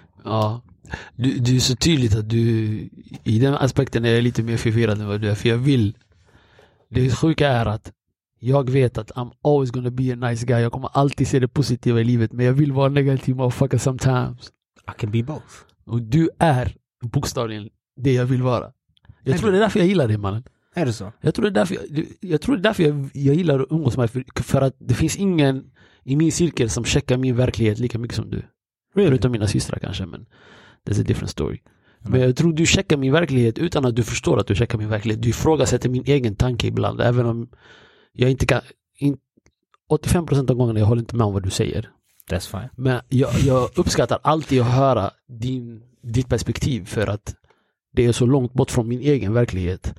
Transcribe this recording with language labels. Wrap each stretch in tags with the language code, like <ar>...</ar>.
<sv>Ja, du är så tydligt att du, i den aspekten är jag lite mer förvirrad än vad du är, för jag vill, det sjuka är att jag vet att</sv> <en>I'm always gonna be a nice guy,</en> <sv>jag kommer alltid se det positiva i livet, men jag vill vara negativ</sv> <en>motherfucker sometimes. I can be both.</en> <sv>Och du är bokstavligen det jag vill vara. Jag tror det är därför jag gillar dig, mannen. Är det så? Jag tror det är därför jag gillar att umgås med, för att det finns ingen i min cirkel som checkar min verklighet lika mycket som du.</sv> <en>Really?</en> <sv>Utom mina systrar kanske, men</sv> <en>that's a different story. Mm.</en> <sv>Men jag tror du checkar min verklighet utan att du förstår att du checkar min verklighet. Du ifrågasätter min egen tanke ibland, även om jag inte kan, 85% av gångerna jag håller inte med om vad du säger.</sv> <en>That's fine.</en> <sv>Men jag uppskattar alltid att höra ditt perspektiv, för att det är så långt bort från min egen verklighet.</sv>